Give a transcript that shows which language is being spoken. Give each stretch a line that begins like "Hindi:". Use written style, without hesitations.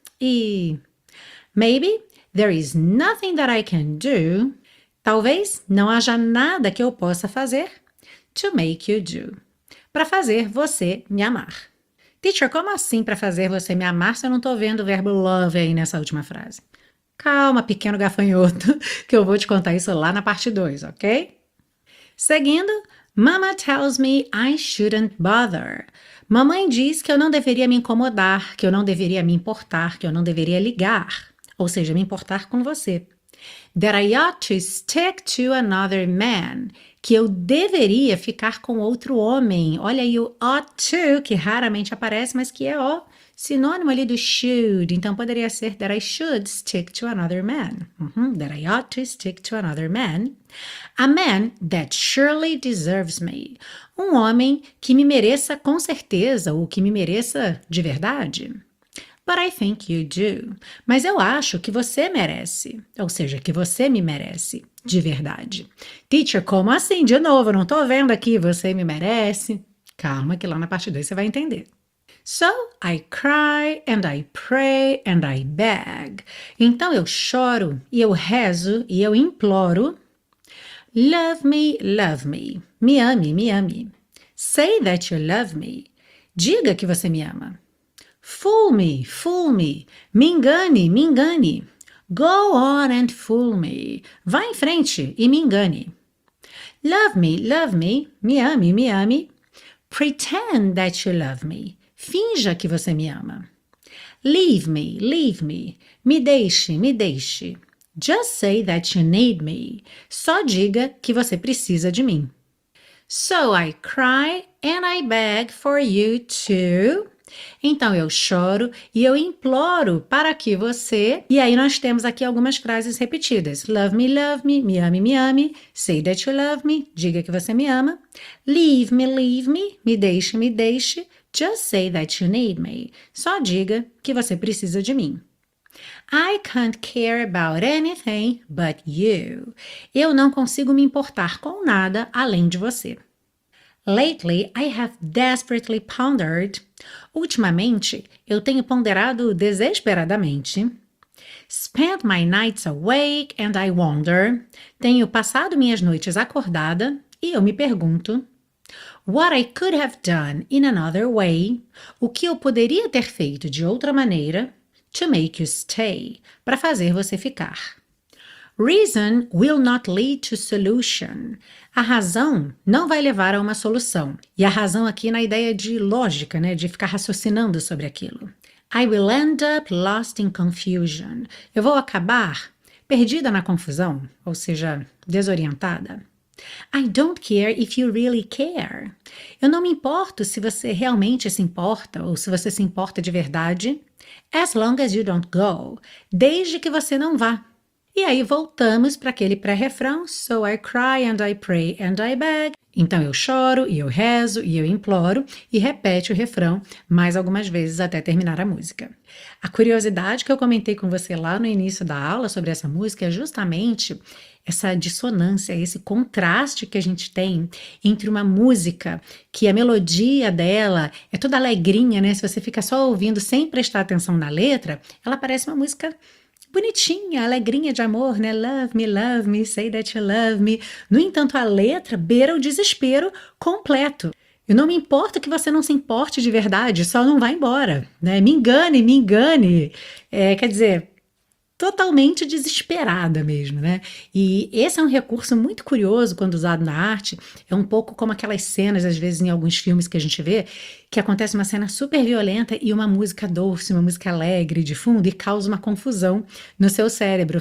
English: E maybe there is nothing that I can do.
Portuguese: Talvez não haja nada que eu possa fazer
English: to make you do.
Portuguese: Para fazer você me amar. Teacher, como assim para fazer você me amar se eu não estou vendo o verbo love aí nessa última frase? Calma, pequeno gafanhoto, que eu vou te contar isso lá na parte 2, ok?
English: Seguindo, Mama tells me I shouldn't bother.
Portuguese: Mamãe diz que eu não deveria me incomodar, que eu não deveria me importar, que eu não deveria ligar, ou seja, me importar com você.
English: That I ought to stick to another man,
Portuguese: que eu deveria ficar com outro homem. Olha aí o ought to, que raramente aparece, mas que é ó. Sinônimo ali do should, então poderia ser
English: that I should stick to another man. That I ought to stick to another man. A man that surely deserves me.
Portuguese: Um homem que me mereça com certeza, ou que me mereça de verdade.
English: But I think you do.
Portuguese: Mas eu acho que você merece, ou seja, que você me merece de verdade. Teacher, como assim? De novo, não estou vendo aqui, você me merece. Calma, que lá na parte 2 você vai entender.
English: So I cry and I pray and I beg.
Portuguese: Então eu choro e eu rezo e eu imploro.
English: Love me,
Portuguese: me ame, me ame.
English: Say that you love me.
Portuguese: Diga que você me ama.
English: Fool me,
Portuguese: me engane, me engane.
English: Go on and fool me.
Portuguese: Vá em frente e me engane.
English: Love me,
Portuguese: me ame, me ame.
English: Pretend that you love me.
Portuguese: Finja que você me ama.
English: Leave me.
Portuguese: Me deixe, me deixe.
English: Just say that you need me.
Portuguese: Só diga que você precisa de mim.
English: So I cry and I beg for you to.
Portuguese: Então eu choro e eu imploro para que você. E aí nós temos aqui algumas frases repetidas.
English: Love me,
Portuguese: me ame, me ame.
English: Say that you love me.
Portuguese: Diga que você me ama.
English: Leave me,
Portuguese: me deixe, me deixe.
English: Just say that you need me.
Portuguese: Só diga que você precisa de mim.
English: I can't care about anything but you.
Portuguese: Eu não consigo me importar com nada além de você.
English: Lately, I have desperately pondered.
Portuguese: Ultimamente, eu tenho ponderado desesperadamente.
English: Spent my nights awake and I wonder.
Portuguese: Tenho passado minhas noites acordada e eu me pergunto.
English: What I could have done in another way.
Portuguese: O que eu poderia ter feito de outra maneira.
English: To make you stay.
Portuguese: Para fazer você ficar.
English: Reason will not lead to solution.
Portuguese: A razão não vai levar a uma solução. E a razão aqui na ideia de lógica, né? De ficar raciocinando sobre aquilo.
English: I will end up lost in confusion.
Portuguese: Eu vou acabar perdida na confusão, ou seja, desorientada.
English: I don't care if you really care.
Portuguese: Eu não me importo se você realmente se importa ou se você se importa de verdade.
English: As long as you don't go.
Portuguese: Desde que você não vá. E aí voltamos para aquele pré-refrão.
English: So I cry and I pray and I beg.
Portuguese: Então eu choro e eu rezo e eu imploro. E repete o refrão mais algumas vezes até terminar a música. A curiosidade que eu comentei com você lá no início da aula sobre essa música é justamente essa dissonância, esse contraste que a gente tem entre uma música que a melodia dela é toda alegrinha, né? Se você fica só ouvindo sem prestar atenção na letra, ela parece uma música bonitinha, alegrinha de amor, né?
English: Love me, say that you love me.
Portuguese: No entanto, a letra beira o desespero completo. E não me importa que você não se importe de verdade, só não vá embora, né? Me engane, me engane. É, quer dizer, totalmente desesperada mesmo, né? E esse é um recurso muito curioso quando usado na arte. É um pouco como aquelas cenas, às vezes, em alguns filmes que a gente vê, que acontece uma cena super violenta e uma música doce, uma música alegre de fundo, e causa uma confusão no seu cérebro.